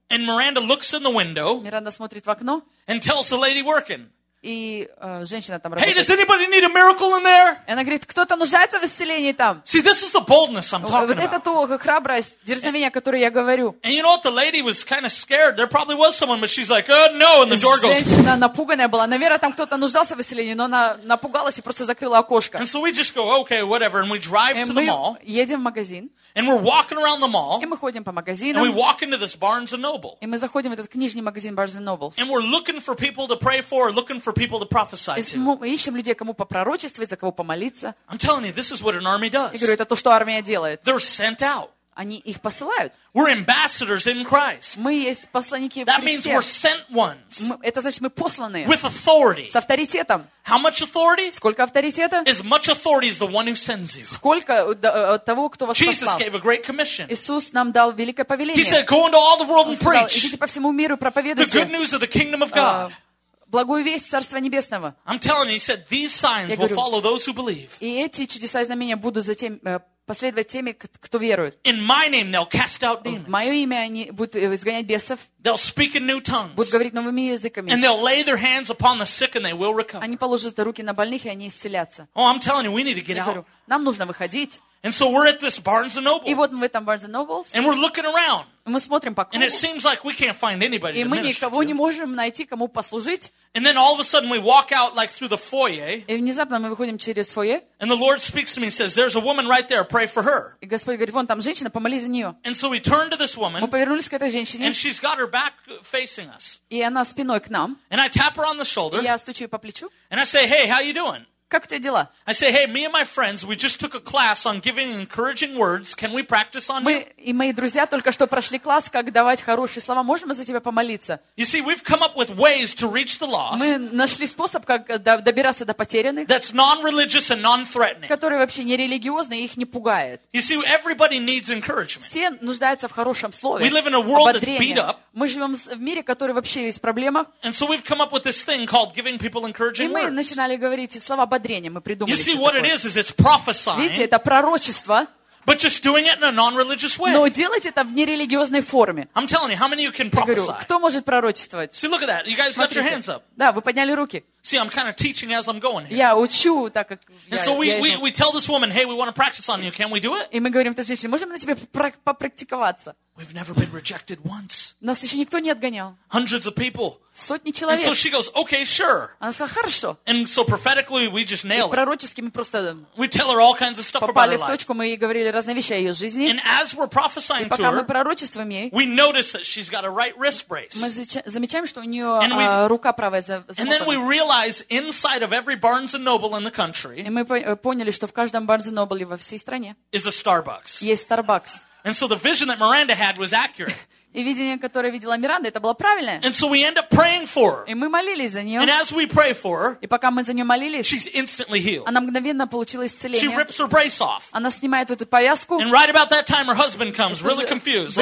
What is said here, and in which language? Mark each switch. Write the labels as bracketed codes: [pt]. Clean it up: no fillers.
[en] And Miranda looks in the window. [ru] Миранда смотрит в окно. [en] And tells the lady working. [ru] И женщина там работает. [en] Hey, does anybody need a miracle in there? [ru] И она говорит, кто-то нуждается в исцелении там. [en] See, this is the boldness I'm talking about. [ru] Вот это то храбрость, дерзновение, о которой я говорю. [en] And you know what? The lady was kind of scared. There probably was someone, but she's like, oh, no, and the door goes. [ru] Женщина напуганная была. Наверное, там кто-то нуждался в исцелении, но она напугалась и просто закрыла окошко. [en] And so we just go, okay, whatever, and we drive to the mall. [ru] Мы едем в магазин. [en] And we're walking around the mall. [ru] И мы ходим по магазинам. [en] And we walk into this Barnes & Noble. [ru] И мы заходим в этот книжный магазин Barnes & Noble. [en] And we're looking for people to pray for, looking for people to prophesy to. [ru] Мы ищем людей, кому попророчествовать, за кого помолиться. [en] I'm telling you, this is what an army does. [ru] Я говорю, это то, что армия делает. [en] They're sent out. [ru] Они их посылают. [en] We're ambassadors in Christ. [ru] Мы есть посланники в Христе. [en] That means we're sent ones. [ru] Это значит, мы посланные. [en] With authority. [ru] С авторитетом. [en] How much authority? [ru] Сколько авторитета? [en] As much authority as the one who sends you. [ru] Сколько того, кто вас [en] Jesus [ru] послал. [en] Gave a great commission. [ru] Иисус нам дал великое повеление. [en] He said, "Go into all the world and preach." [ru] Идите по всему миру и проповедуйте. [en] The good news of the kingdom of God. [ru] Благую весть Царства Небесного. [en] I'm telling you, he said, these signs will follow those who believe. [ru] И эти чудеса и знамения будут затем последовать теми, кто верует. [en] In my name they'll cast out demons. [ru] В мое имя они будут изгонять бесов. [en] They'll speak in new tongues. [ru] Будут говорить новыми языками. [en] And they'll lay their hands upon the sick and they will recover. [ru] Они положат руки на больных, и они исцелятся. [en] Oh, I'm telling you, we need to get out. [ru] Нам нужно выходить. [en] And so we're at this Barnes & Noble. [ru] И вот мы в этом Barnes & Noble. [en] And we're looking around. [ru] Мы смотрим по кругу. [en] And it seems like we can't find anybody to minister. [ru] И мы никого не можем найти, кому послужить. [en] And then all of a sudden we walk out like through the foyer. [ru] И внезапно мы выходим через фойе. [en] And the Lord speaks to me and says, "There's a woman right there. Pray for her." [ru] И Господь говорит, вон там женщина, помолись за нее. [en] And so we turn to this woman. [ru] Мы повернулись к этой женщине. [en] And she's got her back facing us. [ru] И она спиной к нам. [en] And I tap her on the shoulder. [ru] И я стучу ее по плечу. [en] And I say, "Hey, how you doing?" [ru] Как у тебя дела? [en] I say, "Hey, me and my friends, we just took a class on giving encouraging words. Can we practice on you?" [ru] И мои друзья только что прошли класс, как давать хорошие слова. Можем мы за тебя помолиться? [en] You see, we've come up with ways to reach the lost. [ru] Мы нашли способ, как добираться до потерянных. [en] That's non-religious and non-threatening. [ru] Которые вообще не религиозные и их не пугает. [en] You see, everybody needs encouragement. [ru] Все нуждаются в хорошем слове. [en] We live in a world that's beat up. [ru] Мы живем в мире, который вообще есть в проблемах. [en] And so we've come up with this thing called giving people encouraging words. [ru] И мы начинали говорить слова. Мы [en] you see what [ru] такое. [en] It is it's prophesying. [ru] Видите, это пророчество. [en] But just doing it in a non-religious way. [ru] Но делать это в нерелигиозной форме. [en] I'm telling you, how many of you can prophesy? [ru] Говорю, кто может пророчествовать? [en] See, look at that. You guys [ru] Смотрите. [en] Got your hands up. [ru] Да, вы подняли руки. [en] See, I'm kind of teaching as I'm going here. [ru] Я учу, так как [en] And so we tell this woman, "Hey, we want to practice on you. Can we do it?" [ru] И мы говорим этой женщине, можем мы на тебе попрактиковаться? [en] We've never been rejected once. [ru] Нас еще никто не отгонял. [en] Hundreds of people. [ru] Сотни человек. [en] And so she goes, "Okay, sure." [ru] Она сказала, хорошо. [en] And so prophetically, we just nail it. [ru] И пророчески мы просто. [en] We tell her all kinds of stuff about her life. [ru] Попали в точку, мы ей говорили разные вещи о ее жизни. [en] And as we're prophesying to her, [ru] и пока мы пророчествуем ей, [en] we notice that she's got a right wrist brace. [ru] Мы замечаем, что у нее рука правая замотана. [en] And then we realize inside of every Barnes and Noble in the country, [ru] и мы поняли, что в каждом Barnes and Noble во всей стране [en] is a Starbucks. [ru] Есть Starbucks. [en] And so the vision that Miranda had was accurate. [ru] И видение, которое видела Миранда, это было правильное. [en] And so we end up praying for her. [ru] И мы молились за нее. [en] And as we pray for her, [ru] и пока мы за нее молились, [en] she's instantly healed. [ru] Она мгновенно получила исцеление. [en] She rips her brace off. [ru] Она снимает эту повязку. [en] And right about that time, her husband comes, really confused.